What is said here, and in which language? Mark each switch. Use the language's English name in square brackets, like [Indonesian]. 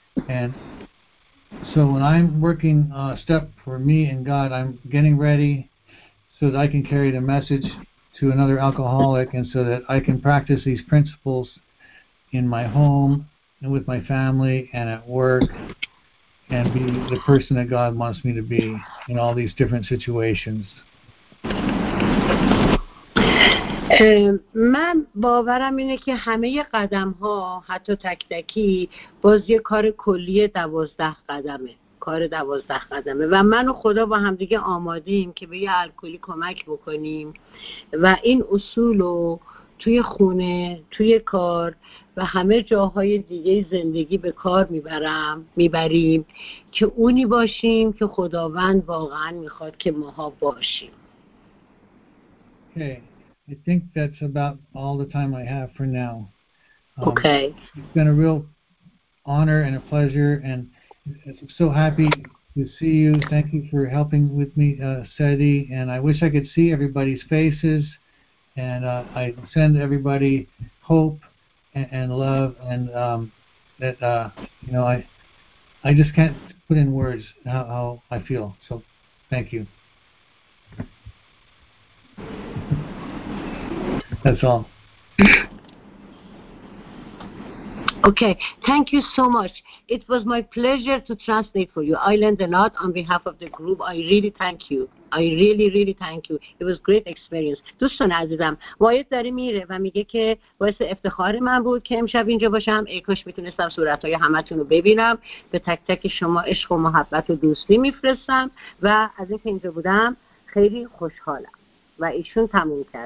[English] And so when I'm working a step for me and God, I'm getting ready so that I can carry the message to another alcoholic and so that I can practice these principles in my home and with my family and at work and be the person that God wants me to be in all these different situations. [Persian] من باورم اینه که همه قدم ها حتی تک تکی باز یه کار کلی 12 قدمه کار 12 قدمه و من و خدا با همدیگه آمادیم که به یه الکلی کمک بکنیم و این اصول رو توی خونه، توی کار و همه جاهای دیگه زندگی به کار میبریم که اونی باشیم که خداوند واقعا میخواد که ماها باشیم. [English] I think that's about all the time I have for now. Okay. It's been a real honor and a pleasure, and I'm so happy to see you. Thank you for helping with me, Sedi, and I wish I could see everybody's faces, and I send everybody hope and love, and that you know, I just can't put in words how I feel. So, thank you. That's all. Okay, thank you so much. It was my pleasure to translate for you. I learned a lot on behalf of the group. I really thank you. I really, really thank you. It was great experience. [Persian] دوستان عزیزم، واید داره میره و میگه که واسه افتخار من بود که امشب اینجا باشم. ای کاش میتونستم صورتهای همتون رو ببینم. به تک تک شما عشق و محبت و دوستی میفرستم و از اینکه اینجا بودم خیلی خوشحالم. و ایشون تموم کرد.